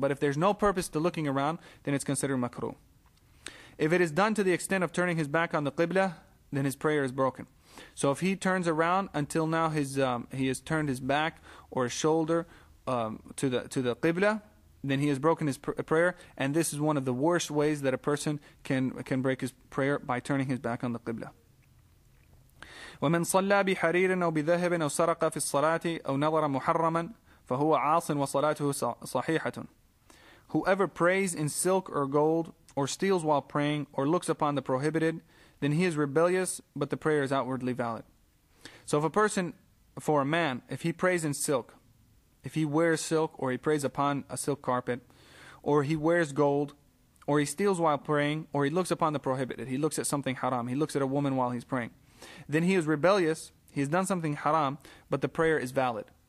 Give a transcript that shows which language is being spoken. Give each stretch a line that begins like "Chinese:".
English: But if there's no purpose to looking around, then it's considered makruh. If it is done to the extent of turning his back on the qibla, then his prayer is broken. So if he turns around until now, he has turned his back or his shoulder to the qibla, then he has broken his prayer, and this is one of the worst ways that a person can break his prayer, by turning his back on the qibla.
Arabic: ومن صلى بحرير أو بذهب أو سرق في الصلاة أو نظر محرما فهو عاص وصلاته صحيحة.
English: Whoever prays in silk or gold, or steals while praying, or looks upon the prohibited, then he is rebellious, but the prayer is outwardly valid. So if a person, for a man, if he prays in silk, if he wears silk, or he prays upon a silk carpet, or he wears gold, or he steals while praying, or he looks upon the prohibited, he looks at something haram, he looks at a woman while he's praying, then he is rebellious, he has done something haram, but the prayer is valid.